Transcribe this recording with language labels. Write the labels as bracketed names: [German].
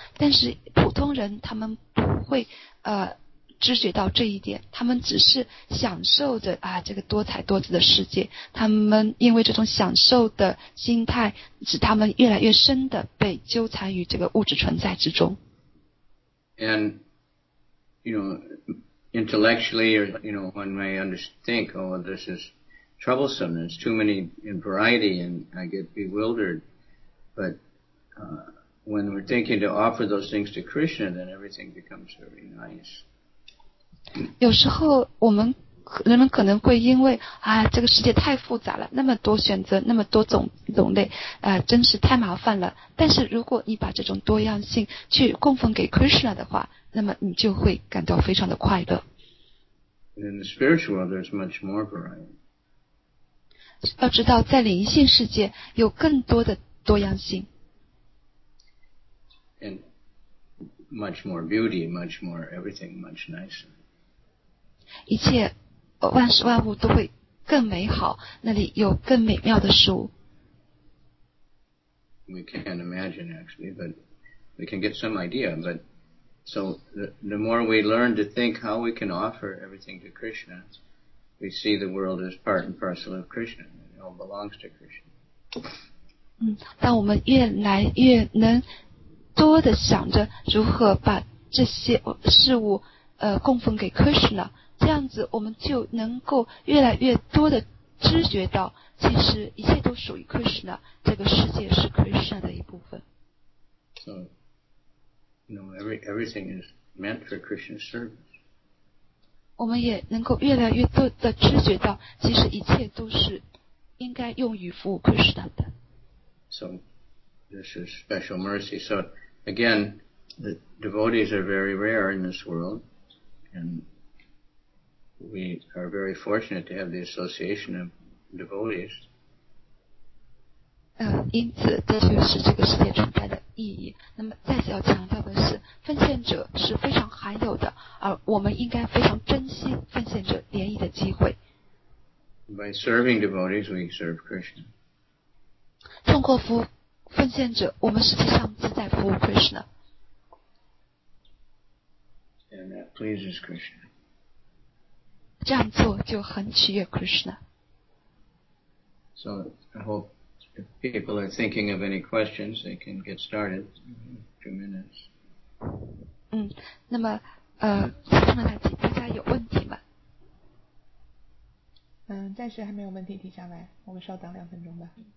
[Chinese] 但是普通人他们不会知觉到这一点，他们只是享受着啊这个多彩多姿的世界，他们因为这种享受的心态使他们越来越深的被纠缠于这个物质存在之中。 [English] And you know intellectually or you know one may think, oh this is troublesome, there's too many in variety and I get bewildered, but when we're thinking to offer those things to Krishna, then everything becomes very nice. [Chinese] 有时候人们可能会因为啊这个世界太复杂了，那么多选择，那么多种类，真是太麻烦了。但是如果你把这种多样性去供奉给 Krishna 的话，那么你就会感到非常的快乐。 [English] In the spiritual world, there's much more variety. [Chinese] 要知道，在灵性世界有更多的多样性。 [English] And much more beauty, much more everything, much nicer. [Chinese] 一切万事万物都会更美好，那里有更美妙的事物。 [English] We can't imagine actually, but we can get some idea. But so the more we learn to think how we can offer everything to Krishna, we see the world as part and parcel of Krishna. It all belongs to Krishna. [Chinese] 当我们越来越能多的想着如何把这些事物供奉给 Krishna。这样子我们就能够越来越多的知觉到其实一切都属于 Krishna， 这个世界是 Krishna 的一部分。 [English] So you know, everything is meant for Krishna's service. [Chinese] 我们也能够越来越多的知觉到其实一切都是应该用于服务 Krishna 的。 [English] So this is special mercy. So again, the devotees are very rare in this world andWe are very fortunate to have the association of devotees. [Chinese] 因此这就是这个世界存在的意义。那么再次要强调的是，奉献者是非常罕有的，而我们应该非常珍惜奉献者联谊的机会。 [English] By serving devotees, we serve Krishna. [Chinese] 通过服务奉献者，我们实际上是在服务 Krishna. [English] And that pleases Krishna. [Chinese] 这样做就很取悦 Krishna. [English] So I hope if people are thinking of any questions, they can get started in a few minutes. [Chinese] 那么请问大家有问题吗？暂时还没有问题提下来，我们稍等两分钟吧。